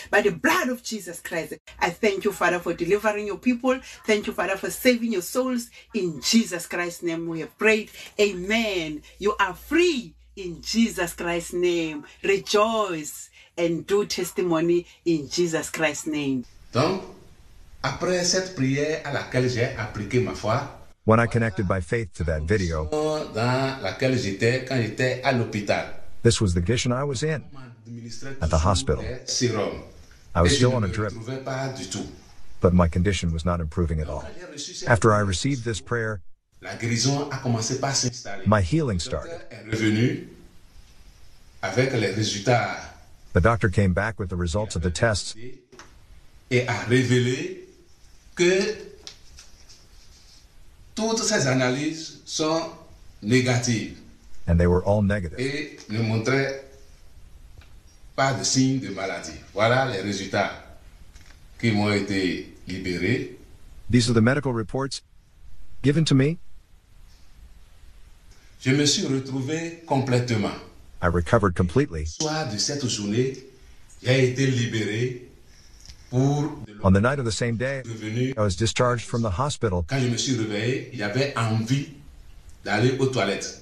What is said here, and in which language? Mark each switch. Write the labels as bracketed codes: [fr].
[en] By the blood of Jesus Christ, I thank you, Father, for delivering your people. Thank you, Father, for saving your souls. In Jesus Christ's name we have prayed. Amen. You are free in Jesus Christ's name. Rejoice and do testimony in Jesus Christ's name. [fr] Donc, après cette prière à laquelle j'ai appliqué ma foi, [en] when I connected by faith to that video, [fr] dans laquelle j'étais, quand j'étais à l'hôpital, [en] this was the condition I was in at the hospital. I was still on a drip, but my condition was not improving at all. After I received this prayer, [fr] la guérison a commencé par s'installer. [en] My healing started. [fr] Est revenu avec les résultats. [en] The doctor came back with the results of the tests [fr] et a révélé que toutes ces analyses sont négatives. [en] And they were all negative. [fr] Et ne montraient pas de signes de maladie. Voilà les résultats qui m'ont été libérés. [en] These are the medical reports given to me. [fr] Je me suis retrouvé complètement. [en] I recovered completely. [fr] Le soir de cette journée, j'ai été libéré. [en] On the night of the same day, I was discharged from the hospital. [fr] Quand je me suis réveillé, il y avait envie d'aller aux toilettes.